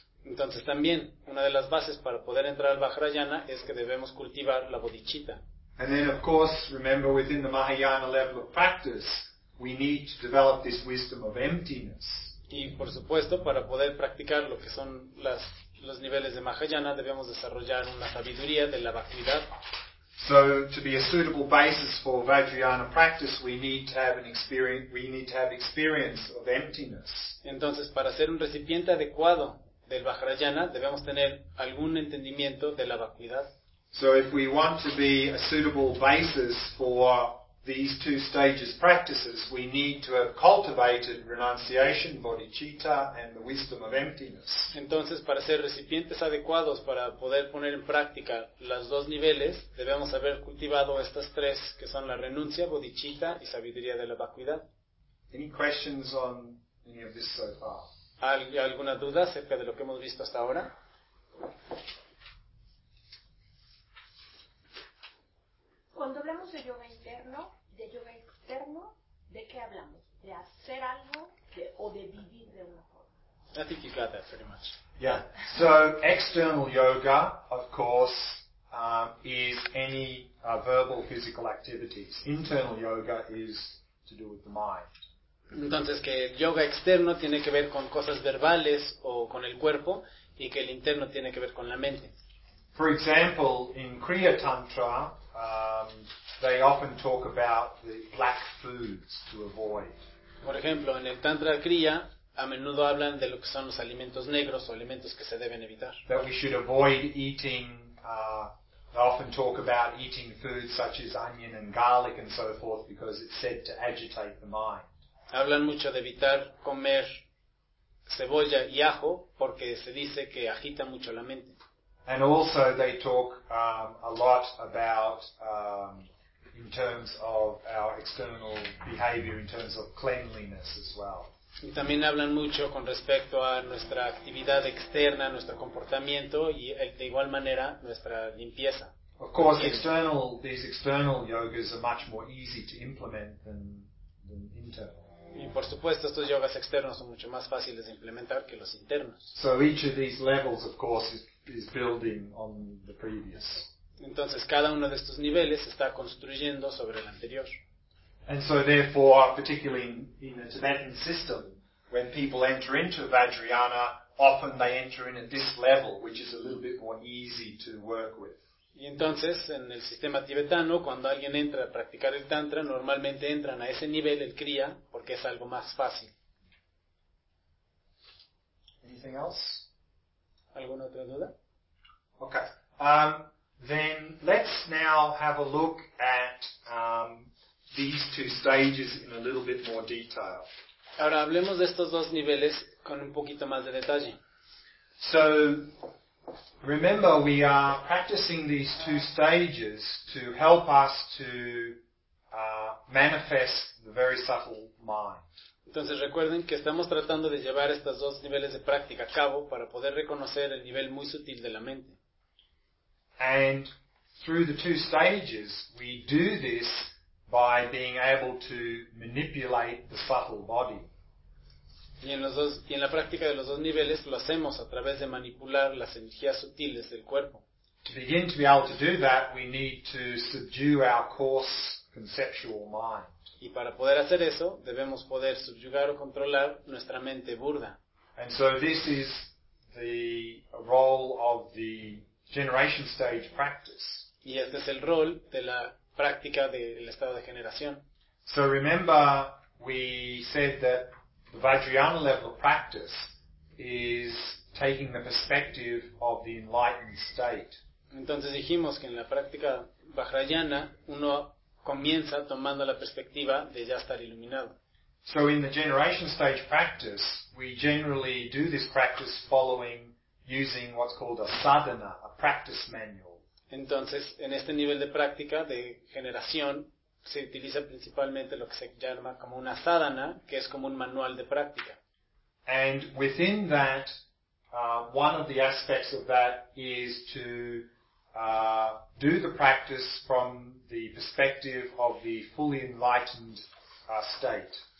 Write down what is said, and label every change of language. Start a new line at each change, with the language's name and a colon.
Spanish: Entonces también, una de las bases para poder entrar al Vajrayana es que debemos cultivar la bodhicitta.
English: And then of course, remember within the Mahayana level of practice, we need to develop this wisdom of emptiness.
Spanish: Y por supuesto, para poder practicar lo que son los niveles de Mahayana, debemos desarrollar una sabiduría de la vacuidad.
English: So to be a suitable basis for Vajrayana practice, we need to have experience of emptiness.
Spanish: Entonces, para ser un recipiente adecuado del Vajrayana, debemos tener algún entendimiento de la vacuidad.
English: So if we want to be a suitable basis for these two stages practices, we need to have cultivated renunciation, bodhicitta, and the wisdom of emptiness.
Spanish: Entonces, para ser recipientes adecuados para poder poner en práctica los dos niveles, debemos haber cultivado estas tres, que son la renuncia, bodhicitta y sabiduría de la vacuidad.
English: Any questions on any of this so far?
Spanish: ¿Alguna duda acerca de lo que hemos visto hasta ahora? Cuando hablamos de yoga interno, de yoga externo, ¿de qué hablamos? ¿De hacer algo o de vivir de una forma?
English: I think you got that pretty much. Yeah. So, external yoga, of course, is any verbal physical activities. Internal yoga is to do with the mind.
Spanish: Entonces, que el yoga externo tiene que ver con cosas verbales o con el cuerpo, y que el interno tiene que ver con la mente.
English: For example, in Kriya Tantra, they often talk about the black foods to avoid.
Spanish: Por ejemplo, en el Tantra Kriya, a menudo hablan de lo que son los alimentos negros o alimentos que se deben evitar.
English: That we should avoid eating, they often talk about eating foods such as onion and garlic and so forth because it's said to agitate the mind.
Spanish: Hablan mucho de evitar comer cebolla y ajo porque se dice que agita mucho la mente.
English: And also they talk a lot about in terms of our external behavior, in terms of cleanliness as well.
Spanish: Y también hablan mucho con respecto a nuestra actividad externa, nuestro comportamiento y de igual manera nuestra limpieza.
English: Of course, these external yogas are much more easy to implement than internal.
Spanish: Y por supuesto, estos yogas externos son mucho más fáciles de implementar que los internos.
English: So each of these levels, of course, is building on the previous.
Spanish: Entonces, cada uno de estos niveles está construyendo sobre el anterior.
English: And so therefore, particularly in the Tibetan system, when people enter into Vajrayana, often they enter in at this level, which is a little bit more easy to work with.
Spanish: Y entonces, en el sistema tibetano, cuando alguien entra a practicar el tantra, normalmente entran a ese nivel, el kriya, porque es algo más fácil.
English: Anything else?
Spanish: ¿Alguna otra duda?
English: Okay. Then let's now have a look at these two stages in a little bit more detail.
Spanish: Ahora hablemos de estos dos niveles con un poquito más de detalle.
English: So, remember, we are practicing these two stages to help us to manifest the very subtle mind.
Spanish: Entonces recuerden que estamos tratando de llevar estos dos niveles de práctica a cabo para poder reconocer el nivel muy sutil de la mente.
English: And through the two stages, we do this by being able to manipulate the subtle body.
Spanish: Y en la práctica de los dos niveles lo hacemos a través de manipular las energías sutiles del cuerpo.
English: To begin to be able to do that, we need to subdue our coarse conceptual mind.
Spanish: Y para poder hacer eso, debemos poder subyugar o controlar nuestra mente burda.
English: And so this is the role of the generation stage practice.
Spanish: Y este es el rol de la práctica del estado de generación.
English: So remember, we said that the Vajrayana level practice is taking the perspective of the enlightened state.
Spanish: Entonces dijimos que en la práctica Vajrayana uno comienza tomando la perspectiva de ya estar iluminado.
English: So in the generation stage practice, we generally do this practice following using what's called a sadhana, a practice manual.
Spanish: Entonces, en este nivel de práctica de generación, se utiliza principalmente lo que se llama como una sadhana, que es como un manual de práctica.
English: And within that, one of the aspects of that is to do the practice from the perspective of the fully enlightened state.